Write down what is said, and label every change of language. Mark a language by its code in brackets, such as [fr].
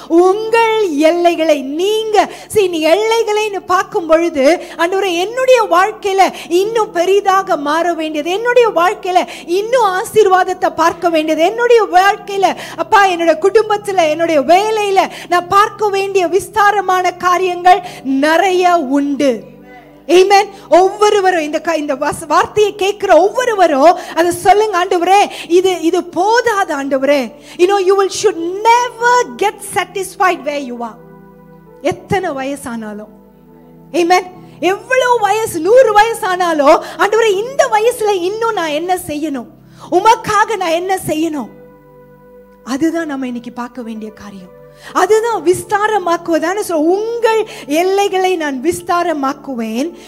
[ta] உங்கள் எல்லைகளை, நீங்க எல்லைகளை பார்க்கும் பொழுது, அன்று என்னுடைய வாழ்க்கையில இன்னும் பெரிதாக மாற வேண்டியது, என்னுடைய வாழ்க்கையில இன்னும் ஆசீர்வாதத்தை பார்க்க வேண்டியது, என்னுடைய வாழ்க்கையில அப்பா என்னுடைய குடும்பத்துல, என்னுடைய வேலையில நான் பார்க்க வேண்டிய விஸ்தாரமான காரியங்கள் நிறைய உண்டு. ஒவ்வொருவரும் இந்த வார்த்தையை கேட்கிற ஒவ்வொருவரும் அதை சொல்லுங்க, ஆண்டவரே இது போதாது ஆண்டவரே. [en] You know, you should never get satisfied where you are. [ta] எத்தனை வயசானாலும், ஆமென், எவ்வளவு வயசு, 100 வயசானாலும், ஆண்டவரே இந்த வயசுல இன்னும் நான் என்ன செய்யணும், உமக்காக நான் என்ன செய்யணும், அதுதான் நம்ம இன்னைக்கு பார்க்க வேண்டிய காரியம். அதுதான் விஸ்தாரமாக்குவதான சொல், உங்கள் எல்லைகளை நான் விஸ்தாரமாக்குவேன்.